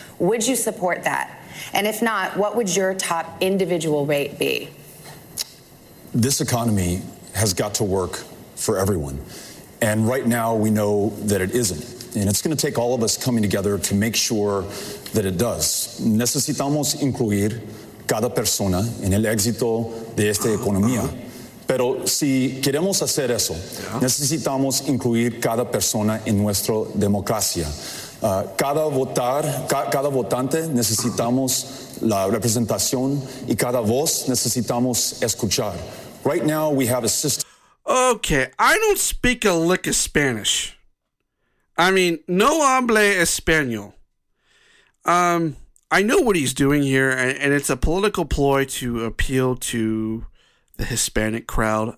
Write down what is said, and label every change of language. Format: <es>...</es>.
<en>Would you support that? And if not, what would your top individual rate be? This economy has got to work for everyone. And right now, we know that it isn't. And it's going to take all of us coming together to make sure that it does.</en> <es>Necesitamos incluir cada persona en el éxito de esta economía. Pero si queremos hacer eso, necesitamos incluir cada persona en nuestra democracia. Cada votante necesitamos la representación y cada voz necesitamos escuchar.</es> <en>Right now we have a system. Okay, I don't speak a lick of Spanish. I mean,</en> <es>no hablé español.</es> <en>I know what he's doing here, and it's a political ploy to appeal to the Hispanic crowd.</en>